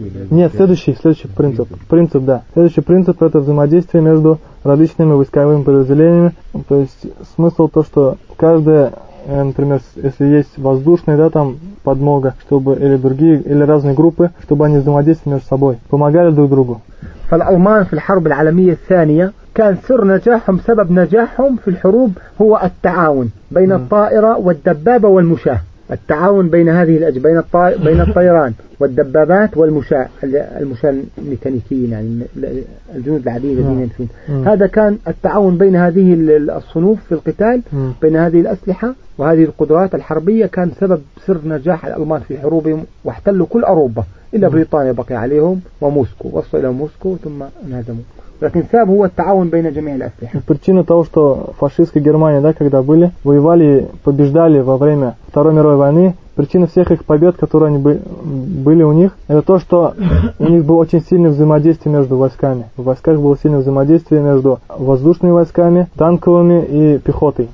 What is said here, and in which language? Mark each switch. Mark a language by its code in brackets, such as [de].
[ru] Нет, следующий принцип. Принцип, да. Следующий принцип – это взаимодействие между различными войсковыми подразделениями. То есть смысл то, что каждое, например, если есть воздушная, да, там подмога, чтобы или другие, или разные группы, чтобы они взаимодействовали между собой, помогали друг другу. [ar] فالألمان في الحرب العالمية الثانية كان سر نجاحهم سبب نجاحهم في الحروب هو التعاون بين الطائرة والدبابة والمشاة. التعاون بين هذه بين بين الطيران والدبابات والمشاة، المشاة الميكانيكيين يعني الجنود العاديين الذين ينفذون. هذا كان التعاون بين هذه الصنوف في القتال بين هذه الأسلحة وهذه القدرات الحربية كان سبب سر نجاح الألمان في حروبهم واحتلوا كل أوروبا إلا بريطانيا بقي عليهم وموسكو وصلوا إلى موسكو ثم انهزموا. لكن السبب هو التعاون بين جميع الأسلحة. [ru] причина того, что фашистская Германия, да, когда были, воевали, побеждали во время Второй мировой войны, причина всех их побед, которые они были у них, это то, что у них было очень сильное взаимодействие между войсками. В войсках было сильное взаимодействие между воздушными войсками, танковыми и пехотой.